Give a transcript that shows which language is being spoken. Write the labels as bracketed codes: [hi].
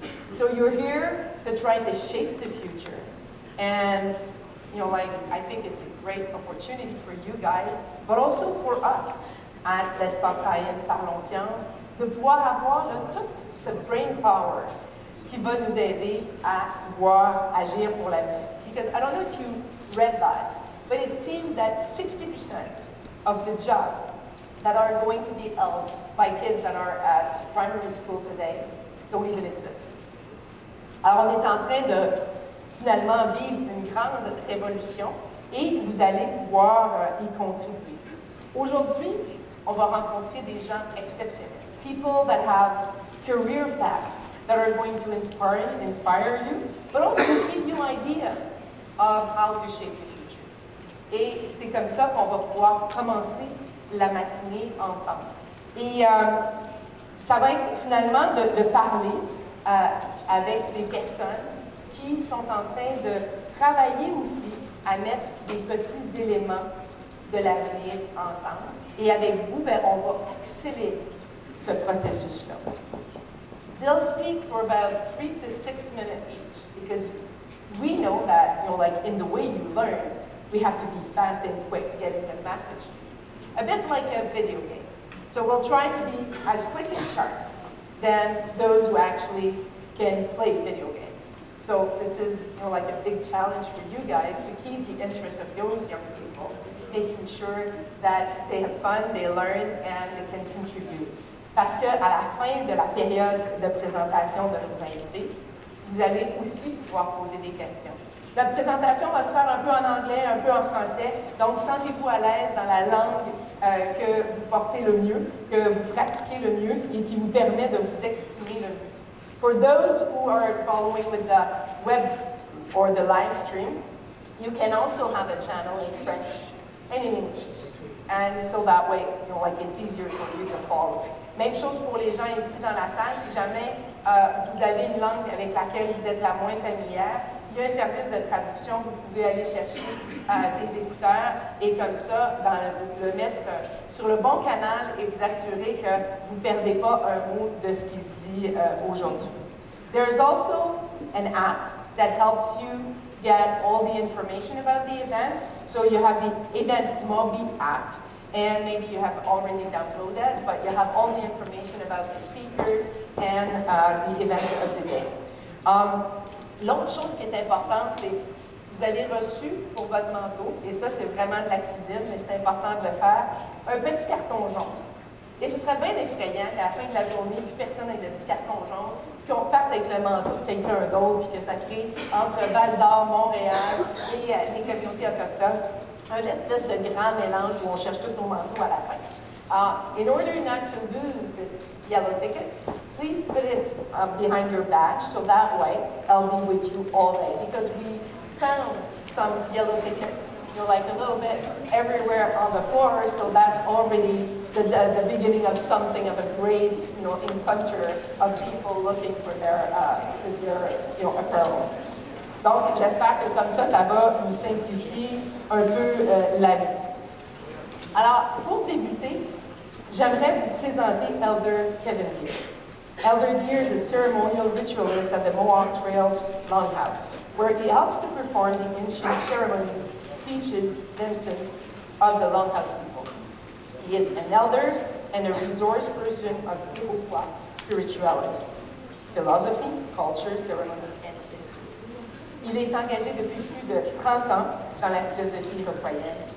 [en] So you're here to try to shape the future, and you know, like, I think it's a great opportunity for you guys, but also for us at Let's Talk Science, Parlons Science, [fr] de pouvoir avoir le tout ce brain power qui va nous aider à pouvoir agir pour l'avenir. [en] Because I don't know if you read that, but it seems that 60% of the jobs that are going to be held by kids that are at primary school today don't even exist. [fr] Alors, on est en train de finalement vivre une grande révolution et vous allez pouvoir y contribuer. Aujourd'hui, on va rencontrer des gens exceptionnels. [en] People that have career paths that are going to inspire you, but also give you ideas of how to shape the future. [fr] Et c'est comme ça qu'on va pouvoir commencer la matinée ensemble. Et ça va être finalement de parler avec des personnes qui sont en train de travailler aussi à mettre des petits éléments de l'avenir ensemble. Et avec vous, ben, on va accélérer ce processus-là. [en] They'll speak for about 3 to 6 minutes each, because we know that, you know, like in the way you learn, we have to be fast and quick getting the message to you. A bit like a video game. So we'll try to be as quick and sharp than those who actually can play video games. So this is, you know, like a big challenge for you guys to keep the interest of those young people, making sure that they have fun, they learn, and they can contribute. [fr] Parce que à la fin de la période de présentation de nos invités, vous allez aussi pouvoir poser des questions. La présentation va se faire un peu en anglais, un peu en français, donc sentez-vous à l'aise dans la langue que vous portez le mieux, que vous pratiquez le mieux, et qui vous permet de vous exprimer le mieux. [en] For those who are following with the web or the live stream, you can also have a channel in French and in English. And so that way, you know, like it's easier for you to follow. [fr] Même chose pour les gens ici dans la salle, si jamais vous avez une langue avec laquelle vous êtes la moins familière, il y a un service de traduction, vous pouvez aller chercher des écouteurs et comme ça, dans le mettre sur le bon canal et vous assurer que vous ne perdez pas un mot de ce qui se dit aujourd'hui. [en] There's also an app that helps you get all the information about the event. So you have the event mobile app, and maybe you have already downloaded, but you have all the information about the speakers and the event of the day. [fr] L'autre chose qui est importante, c'est que vous avez reçu pour votre manteau, et ça c'est vraiment de la cuisine, mais c'est important de le faire, un petit carton jaune. Et ce serait bien effrayant qu'à la fin de la journée, plus personne n'ait de petit carton jaune, qu'on parte avec le manteau de quelqu'un d'autre, puis que ça crée entre Val-d'Or, Montréal et les communautés autochtones, un espèce de grand mélange où on cherche tous nos manteaux à la fin. [en] In order not to lose this yellow ticket, please put it behind your badge, so that way I'll be with you all day. Because we found some yellow ticket, you know, like a little bit everywhere on the floor, so that's already the beginning of something of a great, you know, encounter of people looking for their you know, apparel. [fr] Donc, j'espère que comme ça, ça va vous simplifier un peu la vie. Alors, pour débuter, j'aimerais vous présenter Elder Kevin Deere. [en] Elder Deere is a ceremonial ritualist at the Mohawk Trail Longhouse, where he helps to perform the ancient ceremonies, speeches, dances of the Longhouse people. He is an elder and a resource person of Iroquois spirituality, philosophy, culture, ceremony, and history. [fr] Il est engagé depuis plus de 30 ans dans la philosophie iroquoienne.